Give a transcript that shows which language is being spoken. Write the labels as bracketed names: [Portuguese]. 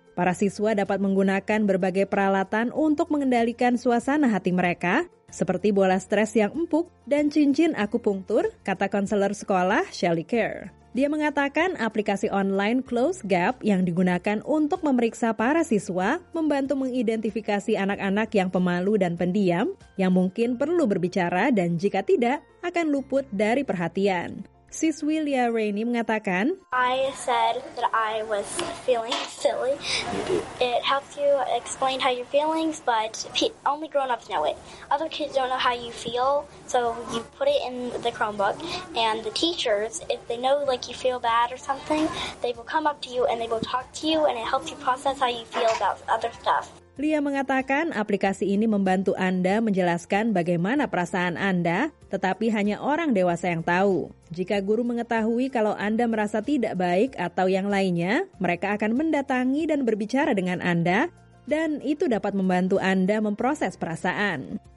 [Indonesian] Para siswa dapat menggunakan berbagai peralatan untuk mengendalikan suasana hati mereka, seperti bola stres yang empuk dan cincin akupunktur, kata konselor sekolah Shelley Kerr. Dia mengatakan aplikasi online Close Gap yang digunakan untuk memeriksa para siswa membantu mengidentifikasi anak-anak yang pemalu dan pendiam, yang mungkin perlu berbicara dan jika tidak, akan luput dari perhatian. Siswi Lia Rainey mengatakan, [English] I said that I was feeling silly. It helps you explain how you're feeling, but only grown-ups know it. Other kids don't know how you feel, so you put it in the Chromebook, and the teachers, if they know like you feel bad or something, they will come up to you and they will talk to you, and it helps you process how you feel about other stuff. [Indonesian] Lia mengatakan aplikasi ini membantu Anda menjelaskan bagaimana perasaan Anda, tetapi hanya orang dewasa yang tahu. Jika guru mengetahui kalau Anda merasa tidak baik atau yang lainnya, mereka akan mendatangi dan berbicara dengan Anda, dan itu dapat membantu Anda memproses perasaan.